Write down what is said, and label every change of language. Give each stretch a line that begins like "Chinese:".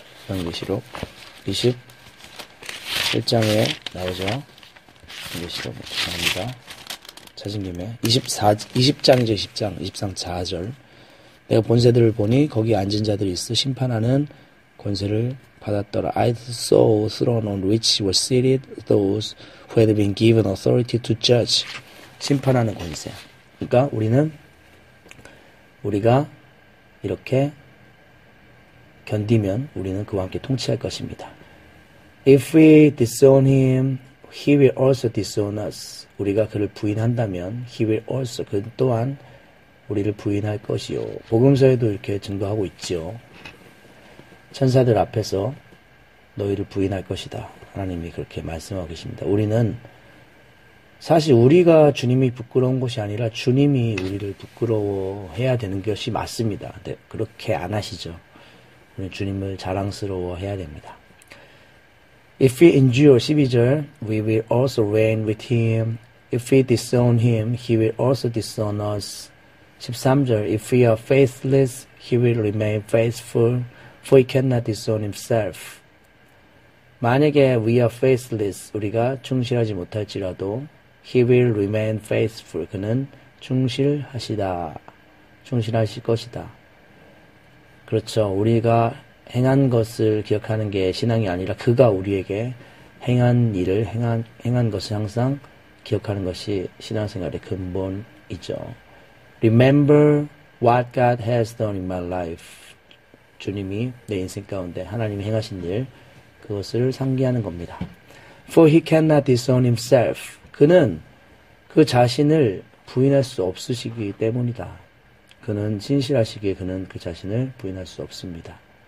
Korean: 요한계시록 21장에 나오죠. 요한계시록 죄송합니다. 찾은 김에 20장이죠. 20장 23, 4절. 내가 권세들을 보니 거기 앉은 자들이 있어 심판하는 권세를 받았더라.
English: I saw throne on which were seated those who had been given authority to judge.
Korean: 심판하는 권세. 그러니까 우리가 이렇게 견디면 우리는 그와 함께 통치할 것입니다.
English: If we disown him, he will also disown us.
Korean: 우리가 그를 부인한다면,
English: he will also,
Korean: 그 또한 우리를 부인할 것이요. 복음서에도 이렇게 증거하고 있지요. 천사들 앞에서 너희를 부인할 것이다. 하나님이 그렇게 말씀하고 계십니다. 우리는 사실 우리가 주님이 부끄러운 것이 아니라 주님이 우리를 부끄러워해야 되는 것이 맞습니다. 근데 그렇게 안 하시죠. 우리는 주님을 자랑스러워해야 됩니다.
English: If we endure,
Korean: 12절,
English: we will also reign with him. If we disown him, he will also disown us.
Korean: 13절,
English: if we are faithless, he will remain faithful, for he cannot disown himself.
Korean: 만약에
English: we are faithless,
Korean: 우리가 충실하지 못할지라도,
English: He will remain faithful.
Korean: 그는 충실하시다. 충실하실 것이다. 그렇죠. 우리가 행한 것을 기억하는 게 신앙이 아니라 그가 우리에게 행한 일을, 행한 것을 항상 기억하는 것이 신앙생활의 근본이죠.
English: Remember what God has done in my life.
Korean: 주님이 내 인생 가운데 하나님이 행하신 일, 그것을 상기하는 겁니다.
English: For he cannot disown himself.
Korean: 그는 그 자신을 부인할 수 없으시기 때문이다. 그는 신실하시기에 그는 그 자신을 부인할 수 없습니다.